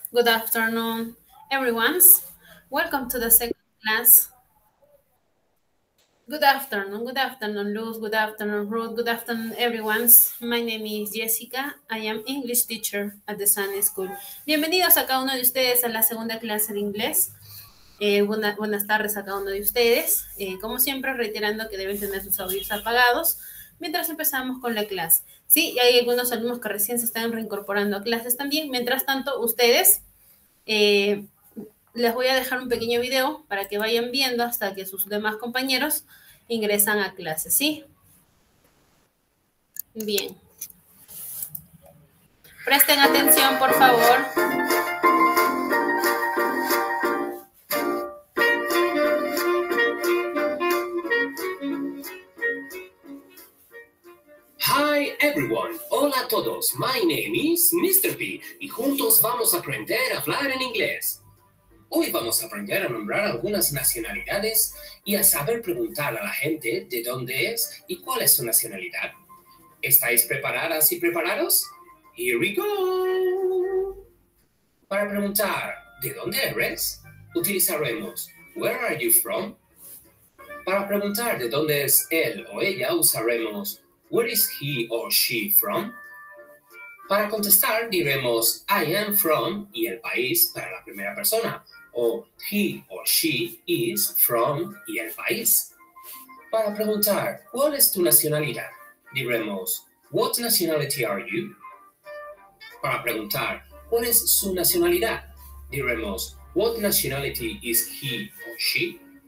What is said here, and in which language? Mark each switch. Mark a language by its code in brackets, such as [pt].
[en] Good afternoon, everyone. Welcome to the second class. Good afternoon, Luz. Good afternoon, Ruth. Good afternoon, everyone. My name is Jessica. I am English teacher at the Sun School. [es] Bienvenidos a cada uno de ustedes a la segunda clase de inglés. Buenas tardes a cada uno de ustedes. Como siempre, reiterando que deben tener sus audios apagados mientras empezamos con la clase. Sí, y hay algunos alumnos que recién se están reincorporando a clases también. Mientras tanto, ustedes, les voy a dejar un pequeño video para que vayan viendo hasta que sus demás compañeros ingresan a clases, ¿sí? Bien. Presten atención, por favor. [en] Hi everyone, [es] hola a todos, [en] my name is Mr. [es] P y juntos vamos a aprender a hablar en inglés. Hoy vamos a aprender a nombrar algunas nacionalidades y a saber preguntar a la gente de dónde es y cuál es su nacionalidad. ¿Estáis preparadas y preparados? [en] Here we go! [es] Para preguntar ¿de dónde eres? Utilizaremos [en] Where are you from? [es] Para preguntar ¿de dónde es él o ella? Usaremos [en] Where is he or she from? [es] Para contestar, diremos [en] I am from [es] y el país para la primera persona, o [en] he or she is from [es] y el país. Para preguntar, ¿cuál es tu nacionalidad? Diremos [en] What nationality are you? [es] Para preguntar, ¿cuál es su nacionalidad? Diremos [en] What nationality is he or she?